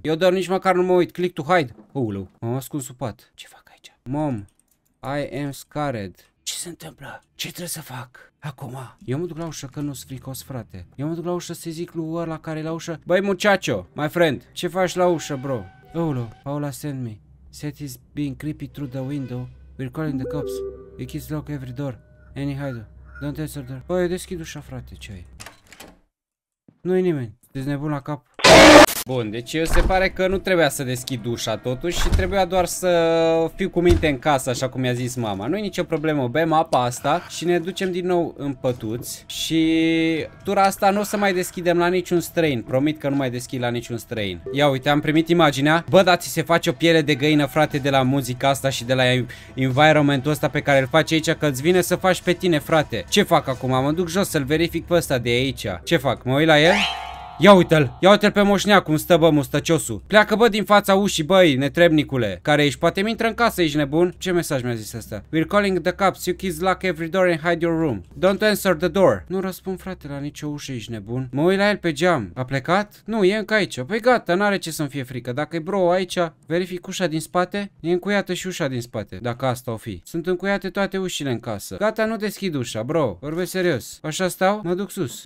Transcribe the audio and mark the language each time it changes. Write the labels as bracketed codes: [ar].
[ro] Eu dorm, nici măcar nu mă uit. [en] Click to hide. [ro] Oulu, m-am ascuns sub pat. Ce fac aici? [en] Mom, I am scared. [ro] Ce se întâmplă? Ce trebuie să fac? Acum. Eu mă duc la ușă că nu-s fricos, frate. Eu mă duc la ușă să-i zic lui ăla care e la ușă. Băi, muchacho, [en] my friend. [ro] Ce faci la ușă, bro? Oulu, [en] Paula sent me. Seth is being creepy through the window. We're calling the cops. The kids lock every door. Any hide. Don't answer the door. [ro] Bă, eu deschid ușa, frate, ce ai? Nu-i nimeni. Sunteți nebun la cap? Bun, deci eu se pare că nu trebuia să deschid ușa totuși și trebuia doar să fiu cu minte în casă, așa cum mi-a zis mama. Nu-i nicio problemă, bem apa asta și ne ducem din nou în pătuți și tura asta nu o să mai deschidem la niciun străin. Promit că nu mai deschid la niciun străin. Ia uite, am primit imaginea. Bă, da, ți se face o piele de găină, frate, de la muzica asta și de la environmentul ăsta pe care îl faci aici, că îți vine să faci pe tine, frate. Ce fac acum? Mă duc jos să-l verific pe ăsta de aici. Ce fac? Mă uit la el? Ia uite-l, ia uite-l pe moșnea cum stă, bă, mustăciosul. Pleacă, bă, din fața ușii, băi, netrebnicule. Care ești? Poate mi-intră în casă, ești nebun? Ce mesaj mi-a zis asta? [en] We're calling the cops, you kids lock every door and hide your room. Don't answer the door. [ro] Nu răspund, frate, la nicio ușă, ești nebun. Mă uit la el pe geam. A plecat? Nu, e încă aici. Păi gata, n-are ce să-mi fie frică. Dacă e bro aici, verific ușa din spate. E încuiată și ușa din spate, dacă asta o fi. Sunt încuiate toate ușile în casă. Gata, nu deschid ușa, bro. Vorbesc serios. Așa stau? Mă duc sus.